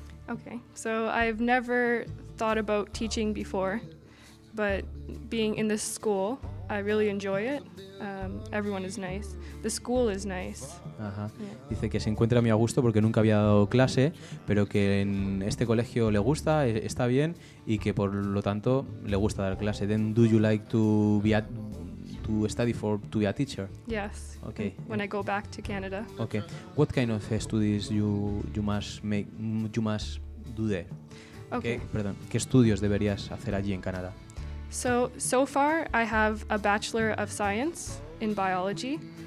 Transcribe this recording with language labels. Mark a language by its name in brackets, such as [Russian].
[English] Okay, so I've never thought about teaching before. But being in this school, I really enjoy it. Everyone is nice. The school is nice. Ajá. Yeah. [Spanish] Dice que se encuentra muy a gusto porque nunca había dado clase, pero que en este colegio le gusta, está bien, y que por lo tanto le gusta dar clase. [English] Then do you like to study to be a teacher? Yes. Okay. When I go back to Canada. Okay. What kind of studies you must do there? Okay. [Spanish] ¿Qué estudios deberías hacer allí en Canadá? [English] So far, I have a Bachelor of Science in Biology.